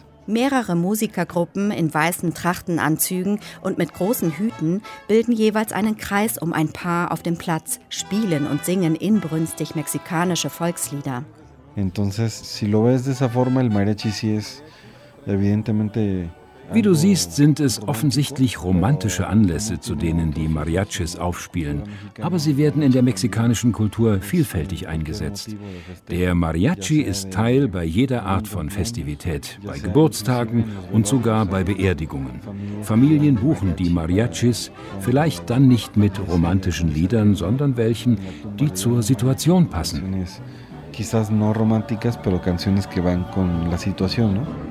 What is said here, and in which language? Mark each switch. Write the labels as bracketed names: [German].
[German] Mehrere Musikergruppen in weißen Trachtenanzügen und mit großen Hüten bilden jeweils einen Kreis um ein Paar auf dem Platz, spielen und singen inbrünstig mexikanische Volkslieder. [Spanish] Entonces, si lo ves de esa forma, el mariachi sí es evidentemente. [German] Wie du siehst, sind es offensichtlich romantische Anlässe, zu denen die Mariachis aufspielen. Aber sie werden in der mexikanischen Kultur vielfältig eingesetzt. Der Mariachi ist Teil bei jeder Art von Festivität, bei Geburtstagen und sogar bei Beerdigungen. Familien buchen die Mariachis, vielleicht dann nicht mit romantischen Liedern, sondern welchen, die zur Situation passen. [Spanish] Quizás no románticas, pero canciones que van con la situación, ¿no?